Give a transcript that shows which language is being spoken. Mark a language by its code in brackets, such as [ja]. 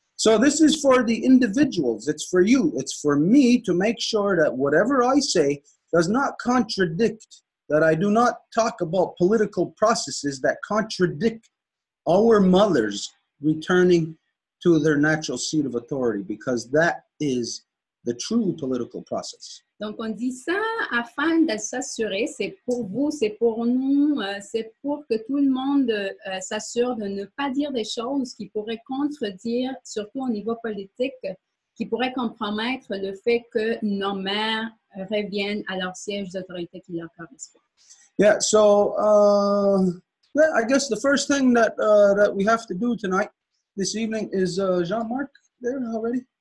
[en] So this is for the individuals, it's for you, it's for me to make sure that whatever I say does not contradict, that I do not talk about political processes that contradict our mothers returning to their natural seat of authority, because that is the true political process. [fr] Donc on dit ça afin de s'assurer, c'est pour vous, c'est pour nous, c'est pour que tout le monde s'assure de ne pas dire des choses qui pourraient contredire, surtout au niveau politique, qui pourraient compromettre le fait que nos mères reviennent à leur siège d'autorité qui leur correspond. [en] Yeah, so... Well, I guess the first thing that that we have to do tonight, this evening, is Jean-Marc there already?